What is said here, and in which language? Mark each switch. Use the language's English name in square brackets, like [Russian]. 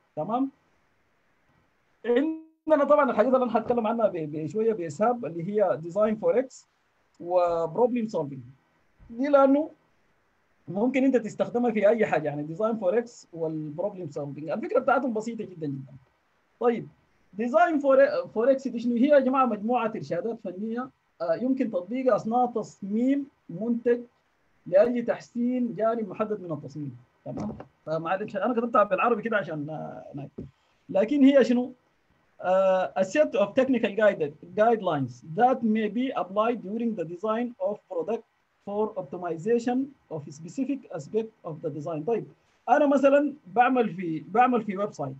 [Arabic] تمام. عندنا طبعا الحاجات اللي انا هتكلم عنها بشويه بيسهب اللي هي ديزاين فور اكس وبروبلم سولفنج دي، لانه ممكن انت تستخدمها في اي حاجه، يعني ديزاين فور اكس والبروبلم سولفنج الفكره بتاعتهم بسيطه جدا. طيب ديزاين فور اكس دي شنو هي يا جماعه؟ مجموعه ارشادات فنيه يمكن تطبيقها اثناء تصميم منتج لاجل تحسين جانب محدد من التصميم. تمام. فمعلش انا كتبتها بالعربي كده عشان ناك. لكن هي شنو؟ [English] A set of technical guidelines that may be applied during the design of product for optimization of a specific aspect of the design. [Arabic] طيب انا مثلا بعمل في ويب سايت.